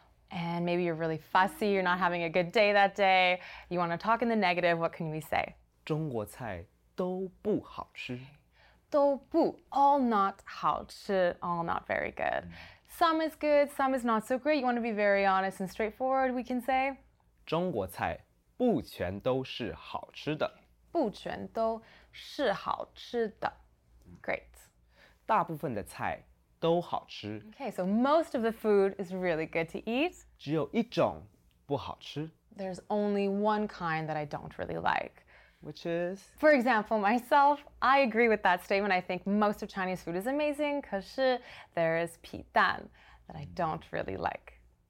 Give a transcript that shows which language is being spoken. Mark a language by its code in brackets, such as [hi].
[en] And maybe you're really fussy, you're not having a good day that day, you want to talk in the negative, what can we say? [zh] 中国菜都不好吃. [en] 都不, all not 好吃, all not very good. Some is good, some is not so great. You want to be very honest and straightforward, we can say. [zh] 中国菜不全都是好吃的。不全都是好吃的。 [en] Great. [zh] 大部分的菜都好吃。 [en] Okay, so most of the food is really good to eat. [zh] 只有一种不好吃。 [en] There's only one kind that I don't really like. Which is? For example, myself, I agree with that statement. I think most of Chinese food is amazing, [zh] 可是 [en] there is 皮蛋 that I don't really like.